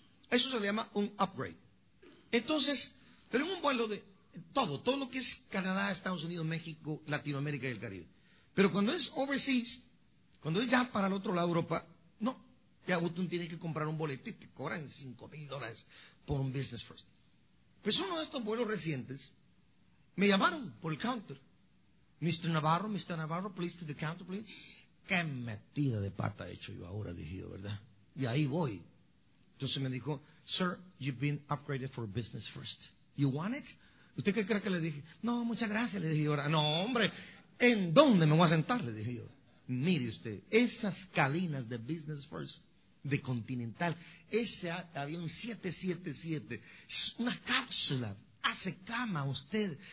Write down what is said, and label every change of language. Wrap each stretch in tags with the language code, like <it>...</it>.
<es>Eso se le llama un upgrade. Entonces, pero en un vuelo de todo lo que es Canadá, Estados Unidos, México, Latinoamérica y el Caribe. Pero cuando es overseas, cuando es ya para el otro lado de Europa, no. Ya usted tiene que comprar un boleto y te cobran $5,000 por un business first. Pues uno de estos vuelos recientes, me llamaron por el counter.</es> <en>Mr. Navarro, please to the counter, please.</en> <es>Qué metida de pata he hecho yo ahora, dije yo, ¿verdad? Y ahí voy. Entonces me dijo,</es> <en>sir, you've been upgraded for business first. You want it?</en> <es>¿Usted qué cree que le dije? No, muchas gracias, le dije yo. No, hombre, ¿en dónde me voy a sentar? Le dije yo. Mire usted, esas cabinas de business first, de Continental, ese avión 777, es una cápsula, hace cama usted.</es>